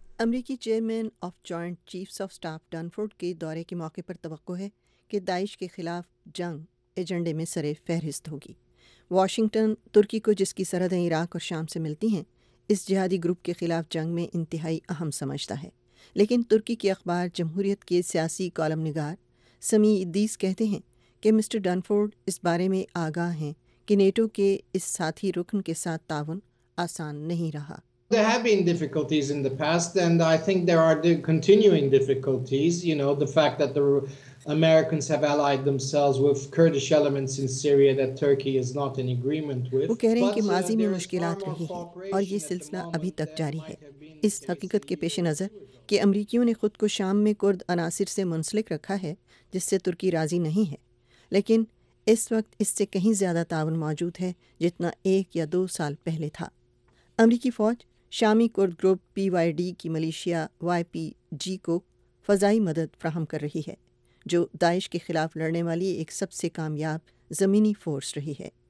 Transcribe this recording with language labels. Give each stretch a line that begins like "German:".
Urdu: امریکی chairman of joint chiefs of staff ڈنفرڈ کے دورے کے موقع پر توقع ہے کہ داعش کے خلاف جنگ ایجنڈے میں سر فہرست ہوگی۔ واشنگٹن ترکی کو، جس کی سرحدیں عراق اور شام سے ملتی ہیں، اس جہادی گروپ کے خلاف جنگ میں انتہائی اہم سمجھتا ہے، لیکن ترکی کی اخبار جمہوریت کے سیاسی کالم نگار سمی ادیس کہتے ہیں کہ مسٹر ڈنفرڈ اس بارے میں آگاہ ہیں کہ نیٹو کے اس ساتھی رکن کے ساتھ تعاون آسان نہیں رہا۔
English: There have been difficulties in the past, and I think there are continuing difficulties. You know, the fact that the Americans have allied themselves with Kurdish elements in Syria that Turkey is not in agreement with.
Urdu: وہ کہہ رہے ہیں کہ ماضی میں مشکلات رہی ہیں اور یہ سلسلہ ابھی تک جاری ہے۔ اس حقیقت کے پیش نظر کہ امریکیوں نے خود کو شام میں کرد عناصر سے منسلک رکھا ہے، جس سے ترکی راضی نہیں ہے، لیکن اس وقت اس سے کہیں زیادہ تعاون موجود ہے جتنا ایک یا دو سال پہلے تھا۔ امریکی فوج شامی کرد گروپ پی وائی ڈی کی ملیشیا وائی پی جی کو فضائی مدد فراہم کر رہی ہے، جو داعش کے خلاف لڑنے والی ایک سب سے کامیاب زمینی فورس رہی ہے،